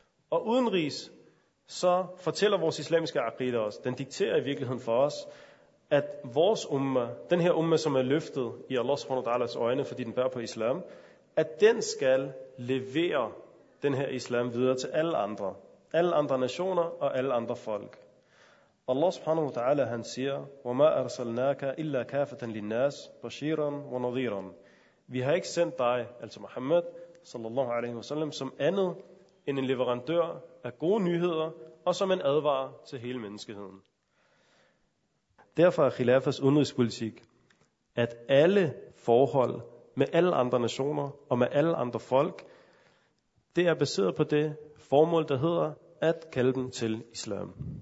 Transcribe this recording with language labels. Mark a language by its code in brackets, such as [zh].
[da] Og udenrigs, så fortæller vores islamiske akida os, den dikterer i virkeligheden for os, at vores umma, den her umma, som er løftet i Allah subhanahu wa ta'alas øjne, fordi den bærer på islam, at den skal levere den her islam videre til alle andre. Alle andre nationer og alle andre folk. [ar] Allah subhanahu wa ta'ala, [da] han siger, [ar] وَمَا أَرْسَلْنَاكَ إِلَّا كَافَةً لِلنَّاسِ بَشِيرًا وَنَظِيرًا. [da] Vi har ikke sendt dig, altså Muhammad, sallallahu alaihi wasallam, som andet end en leverandør af gode nyheder, og som en advarer til hele menneskeheden. Derfor er Khilafas udenrigspolitik, at alle forhold med alle andre nationer og med alle andre folk, det er baseret på det formål, der hedder at kalde dem til islam.